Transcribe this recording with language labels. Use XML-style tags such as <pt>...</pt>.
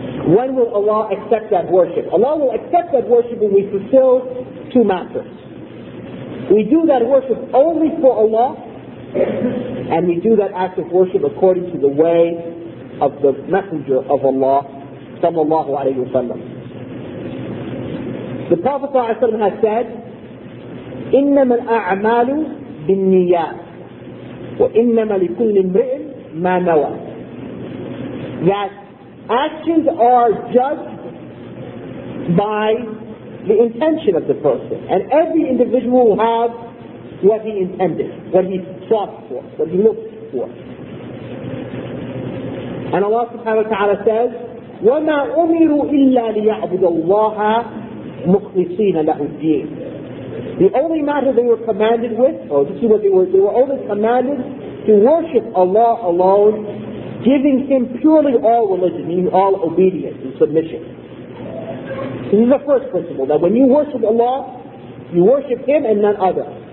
<en>When will Allah accept that worship? Allah will accept that worship when we fulfill two matters. We do that worship only for Allah, and we do that act of worship according to the way of the Messenger of Allah, sallallahu alayhi wa sallam. The Prophet ﷺ has said,</en> <ar>إِنَّمَا الْأَعْمَالُ بِالنِّيَّاتِ وَإِنَّمَا لِكُلِّ امْرِئٍ مَا نَوَى.</ar> <en>That actions are judged by the intention of the person. And every individual will have what he intended, what he sought for, what he looked for. And Allah subhanahu wa ta'ala says,</en> <ar>وَمَا أُمِرُوا إِلَّا لِيَعْبُدَ اللَّهَ مُخْلِصِينَ لَهُ الدِّينَ.</ar> <en>The only matter they were commanded with, or this is what they were only commanded to worship Allah alone, giving Him purely all religion, meaning all obedience and submission. This is the first principle, that when you worship Allah, you worship Him and none other.</en>